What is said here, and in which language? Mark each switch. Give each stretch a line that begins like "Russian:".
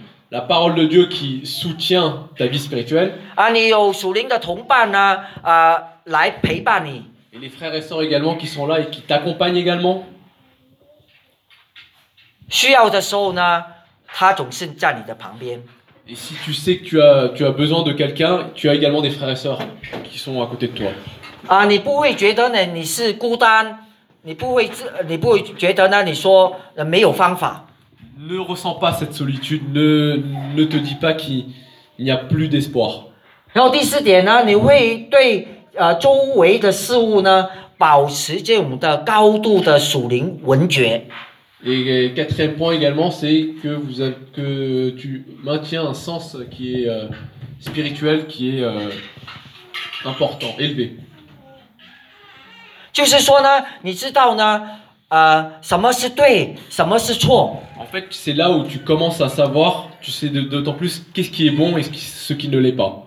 French: La parole de Dieu qui soutient ta vie spirituelle. Et les frères et sœurs également qui sont là et qui t'accompagnent également. Et si tu sais que tu as besoin de quelqu'un, tu as également des frères et sœurs qui sont à côté de toi.
Chinese: Ah, 你不会觉得呢你是孤单，你不会觉得呢你说没有方法。
French: Ne ressens pas cette solitude, ne te dis pas qu'il n'y a plus d'espoir.
Chinese: 然后第四点呢，你会对周围的事物呢保持这种的高度的属灵闻觉。
French: Et quatrième point également, c'est que tu maintiens un sens qui est spirituel, qui est important, élevé.
Chinese: 就是说呢，你知道呢，什么是对，什么是错。
French: En fait, c'est là où tu commences à savoir, tu sais d'autant plus qu'est-ce qui est bon et ce qui ne l'est pas.